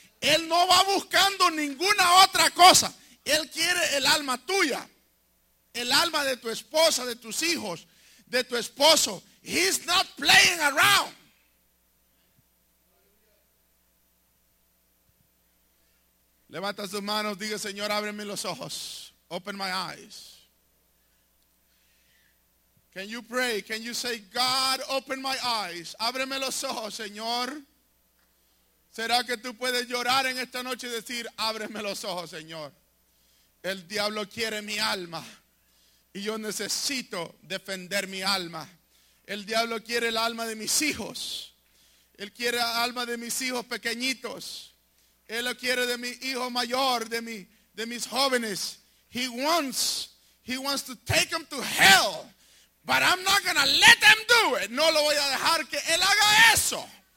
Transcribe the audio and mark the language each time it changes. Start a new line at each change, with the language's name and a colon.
Spanish: Él no va buscando ninguna otra cosa. Él quiere el alma tuya, el alma de tu esposa, de tus hijos, de tu esposo.
English: He's not playing around.
Spanish: Levanta tus manos, diga: Señor, ábreme los ojos.
English: Open my eyes. Can you pray? Can you say, God, open my eyes?
Spanish: Ábreme los ojos, Señor. ¿Será que tú puedes llorar en esta noche y decir, ábreme los ojos, Señor? El diablo quiere mi alma y yo necesito defender mi alma. El diablo quiere el alma de mis hijos. Él quiere el alma de mis hijos pequeñitos. Él lo quiere de mi hijo mayor, de mis jóvenes.
English: He wants to take them to hell. But I'm not going to let them do it.
Spanish: No lo voy a dejar que él haga eso.